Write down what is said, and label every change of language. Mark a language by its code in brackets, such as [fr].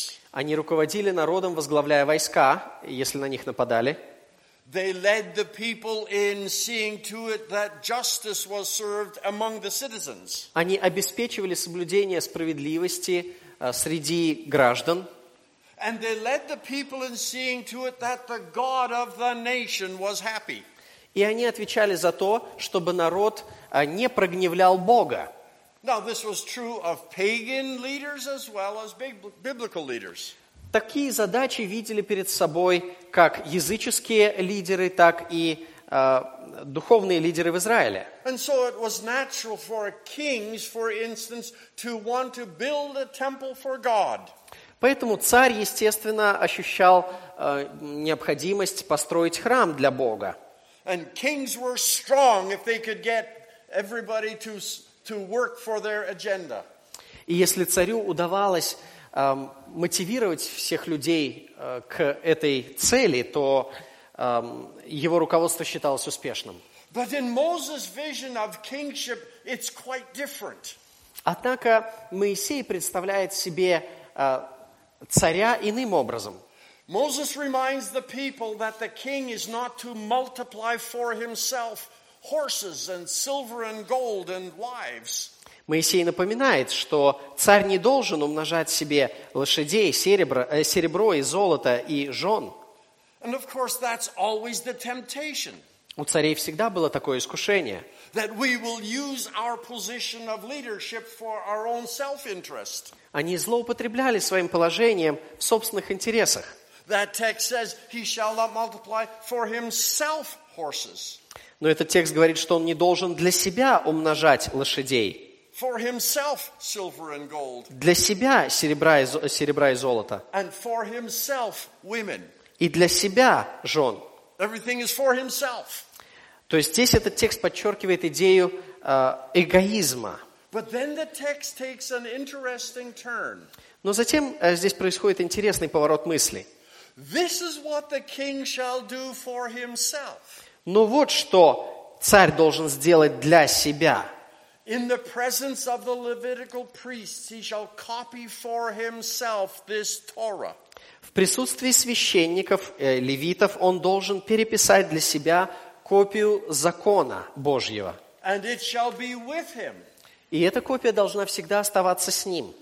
[ru] Они руководили народом, возглавляя войска, если на них нападали. [en] They led the people in seeing to it that justice was served among the citizens. [ru] Они обеспечивали соблюдение справедливости среди граждан. [en] And they led the people in seeing to it that the God of the nation was happy. [ru] И они отвечали за то, чтобы народ не прогневлял Бога. [en] Now this was true of pagan leaders as well as biblical leaders. [ru] Такие задачи видели перед собой как языческие лидеры, так и духовные лидеры в Израиле. [en] And so it was natural for kings, for instance, to want to build a temple for God. [ru] Поэтому царь, естественно, ощущал необходимость построить храм для Бога. [en] And kings were strong if they could get everybody to work for their agenda. [ru] И если царю удавалось мотивировать всех людей к этой цели, то его руководство считалось успешным. [en] But in Moses' vision of kingship, it's quite different. [ru] Однако Моисей представляет себе царя иным образом. [en] Moses reminds the people that the king is not to multiply for himself horses and silver and gold and wives. [ru] Моисей напоминает, что царь не должен умножать себе лошадей, серебро и золото и жен. [en] And of course, that's always the temptation. [ru] У царей всегда было такое искушение, [en] that we will use our position of leadership for our own self-interest. [ru] Они злоупотребляли своим положением в собственных интересах. [en] That text says he shall not multiply for himself horses. [ru] Но этот текст говорит, что он не должен для себя умножать лошадей. [en] For himself silver and gold. [ru] Для себя серебра и золото. [en] And for himself women. [ru] И для себя жен. [en] Everything is for himself. [ru] То есть здесь этот текст подчеркивает идею эгоизма. [en] But then the text takes an interesting turn. [ru] Но затем здесь происходит интересный поворот мысли. [en] This is what the king shall do for himself. [ru] Но вот что царь должен сделать для себя. [en] In the presence of the Levitical priests, he shall copy for himself this Torah. [ru] В присутствии священников, левитов, он должен переписать для себя копию закона Божьего. [en] And it shall be with him. [ru] И эта копия должна всегда оставаться с ним.